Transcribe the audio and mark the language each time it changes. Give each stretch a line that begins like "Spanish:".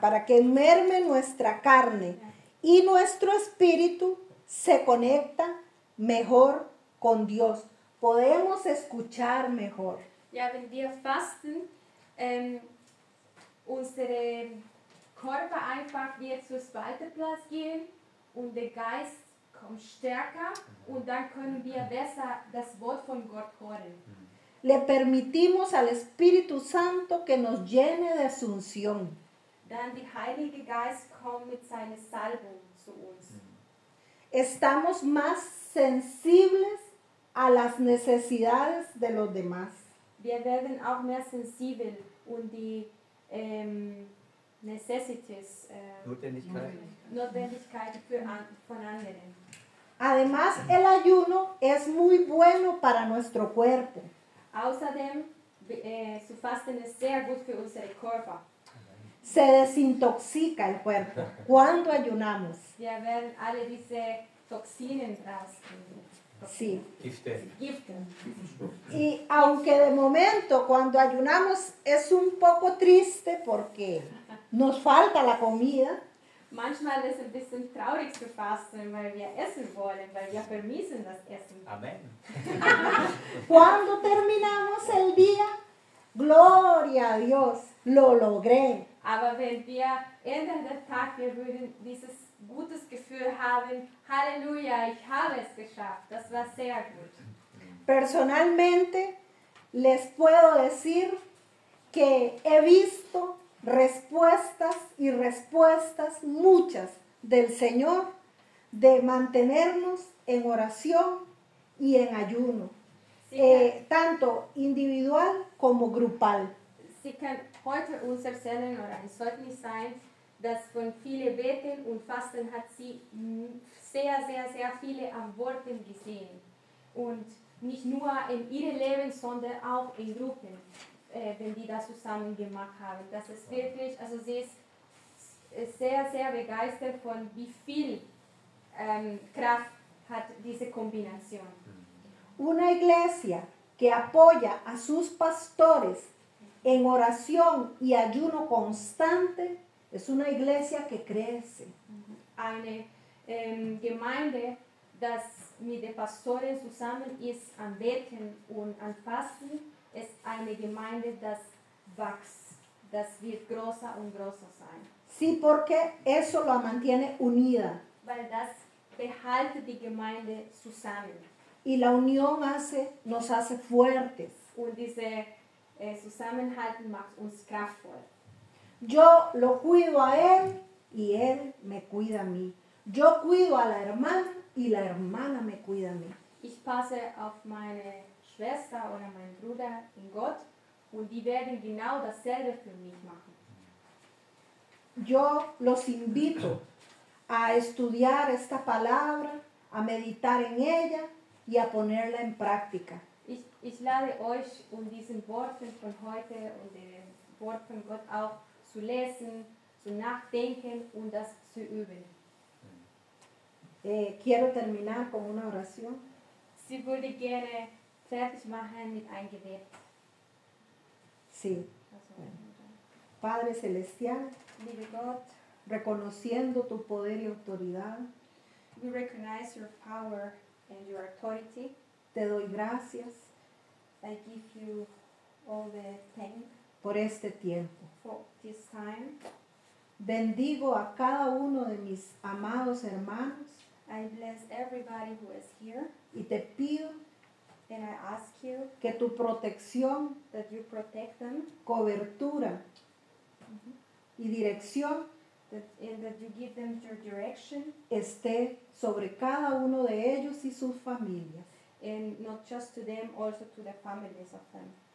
Spanish: Para que merme nuestra carne y nuestro espíritu se conecta mejor con Dios. Podemos escuchar mejor.
German: Ja, wenn wir fasten, unsere Körper einfach wird zur zweiten Platz gehen und der Geist kommt stärker und dann können wir besser das Wort von Gott hören.
Spanish: Le permitimos al Espíritu Santo que nos llene de su unción.
German: Dann der Heilige Geist kommt mit seiner Salbung zu uns.
Spanish: Estamos más sensibles a las necesidades de los demás.
German: Wir werden auch mehr sensibel und die necessities, Notwendigkeit von anderen.
Spanish: Además, el ayuno es muy bueno para nuestro cuerpo.
German: Außerdem zu fasten ist sehr gut für unseren Körper.
Spanish: Se desintoxica el cuerpo cuando ayunamos.
German: Wir werden alle diese Toxinen raus.
Spanish: Sí.
German: Gifte. Gifte.
Spanish: Y aunque de momento cuando ayunamos es un poco triste porque nos falta la comida.
German: Manchmal ist es ein bisschen traurig zu fasten, weil wir essen wollen, weil wir vermissen das Essen. Amen.
Spanish: Cuando terminamos el día, gloria a Dios, lo logré.
German: Aber wenn wir Ende des Tages, wir würden dieses gutes Gefühl haben, Halleluja, ich habe es geschafft, das war sehr gut.
Spanish: Personalmente, les puedo decir que he visto respuestas y respuestas muchas del Señor de mantenernos en oración y en ayuno, sí, tanto individual como grupal.
German: Sie kann heute uns erzählen oder es sollte nicht sein, dass von vielen Beten und Fasten hat sie sehr, sehr, sehr viele Antworten gesehen. Und nicht nur in ihrem Leben, sondern auch in Gruppen. Wenn die das zusammen gemacht haben. Das ist wirklich, also sie ist sehr, sehr begeistert von wie viel Kraft hat diese Kombination.
Spanish: Una iglesia que apoya a sus pastores en oración y ayuno constante es una iglesia que crece.
German: Eine Gemeinde, das mit den Pastoren zusammen ist, am Beten und am Fasten, ist eine Gemeinde, das wächst. Das wird größer und größer sein.
Spanish: Sí, porque eso lo mantiene unida.
German: Weil das behält die Gemeinde zusammen.
Spanish: Y la unión hace, nos hace fuertes.
German: Und diese Zusammenhalt macht uns kraftvoll.
Spanish: Yo lo cuido a él y él me cuida a mí. Yo cuido a la hermana y la hermana me cuida a mí.
German: Ich passe auf meine Schwester oder meinen Bruder in Gott und die werden genau dasselbe für mich machen.
Spanish: Yo los invito a estudiar esta palabra, a meditar en ella y a ponerla en práctica.
German: Ich lade euch um diesen Worten von heute und den Worten von Gott auch zu lesen, zu nachdenken und das zu üben.
Spanish: Quiero terminar con una oración.
German: Sie würde gerne fertig machen mit einem Gebet.
Spanish: Sí. Padre Celestial,
German: liebe Gott,
Spanish: reconociendo tu poder y autoridad,
English: we recognize your power and your authority.
Spanish: Te doy gracias.
English: I give you all the thanks.
Spanish: Por este tiempo.
English: For this time.
Spanish: Bendigo a cada uno de mis amados hermanos.
English: I bless everybody who is here.
Spanish: Y te pido.
English: And I ask you.
Spanish: Que tu protección.
English: That you protect them.
Spanish: Cobertura. Mm-hmm. Y dirección.
English: That you give them your direction.
Spanish: Esté sobre cada uno de ellos y sus familias.
English: And not just to them, also to the families of them.